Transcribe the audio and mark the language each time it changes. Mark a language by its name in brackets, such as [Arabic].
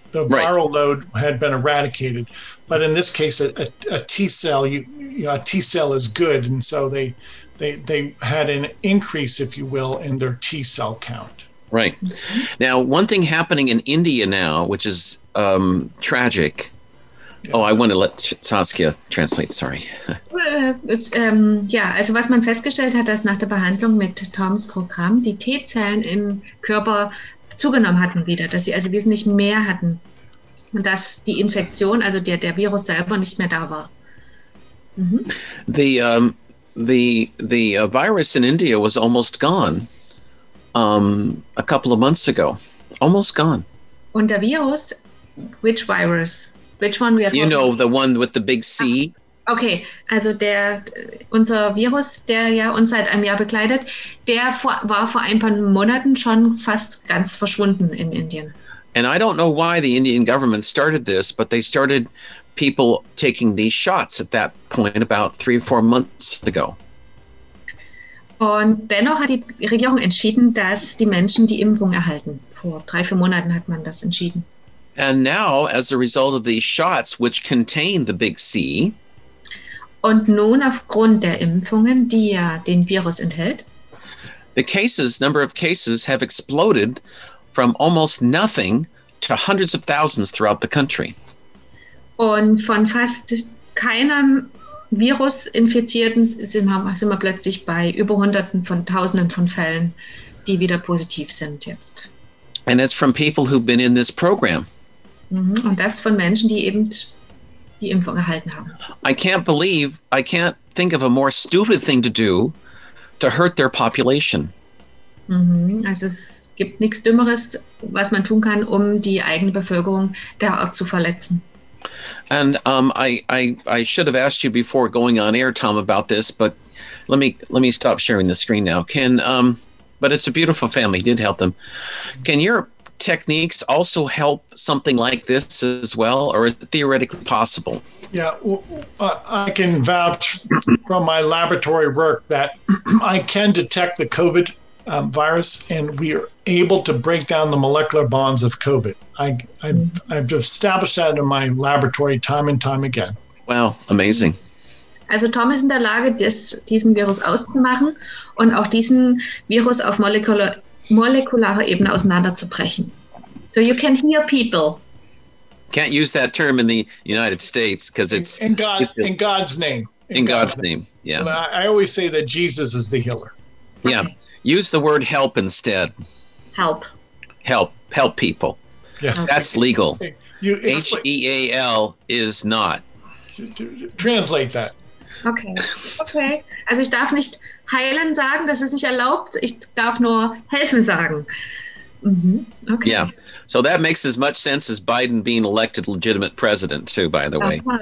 [English] The viral load had been eradicated, but in this case, a T cell, a T cell is good, and so they had an increase, if you will, in their T cell count. Right. Now, one thing happening in India now, which is tragic. Yeah. Oh, I want to let Saskia translate. Sorry. [German] Also was man festgestellt hat, dass nach der Behandlung mit Toms Programm die T-Zellen im Körper zugenommen hatten wieder, dass sie also wesentlich mehr hatten und dass die Infektion, also der Virus selber, nicht mehr da war. Mm-hmm. [English] The virus in India was almost gone. A couple of months ago, almost gone. [German] Und der Virus, [English] which virus? Which one we are talking about? The one with the big C. [German] Okay, also der, unser Virus, der ja uns seit einem Jahr begleitet, der war vor ein paar Monaten schon fast ganz verschwunden in Indien. [English] And I don't know why the Indian government started this, but they started people taking these shots at that point about 3 or 4 months ago. [German] Und dennoch hat die Regierung entschieden, dass die Menschen die Impfung erhalten. Vor 3-4 Monaten hat man das entschieden. [English] And now, as a result of these shots, which contain the big C. [German] Und nun aufgrund der Impfungen, die ja den Virus enthält. [English] The cases, number of cases have exploded from almost nothing to hundreds of thousands throughout the country. [German] Und von fast keinem Virusinfizierten sind wir plötzlich bei über hunderten von tausenden von Fällen, die wieder positiv sind jetzt. [English] And it's from people who've been in this program. [German] Und das von Menschen, die eben die Impfung erhalten haben. [English] I can't think of a more stupid thing to do to hurt their population. [German] Also es gibt nichts Dümmeres, was man tun kann, um die eigene Bevölkerung derart zu verletzen. [English] And I should have asked you before going on air, Tom, about this, but let me stop sharing the screen now. But it's a beautiful family. Did help them. Can your techniques also help something like this as well, or is it theoretically possible? Yeah, I can vouch from my laboratory work that I can detect the COVID virus, and we are able to break down the molecular bonds of COVID. I've established that in my laboratory time and time again. Wow, amazing. [German] Also Tom ist in der Lage, diesen Virus auszumachen und auch diesen Virus auf molekularer Ebene auseinanderzubrechen. [English] So you can hear people. Can't use that term in the United States because it's... In God's name. I always say that Jesus is the healer. Okay. Yeah. Use the word help instead. Help. Help. Help people. Yeah. Okay. That's legal. H-E-A-L is not. Translate that. Okay. [German] Also ich darf nicht heilen sagen, das ist nicht erlaubt. Ich darf nur helfen sagen. [English] Okay. Yeah. So that makes as much sense as Biden being elected legitimate president too, by the way.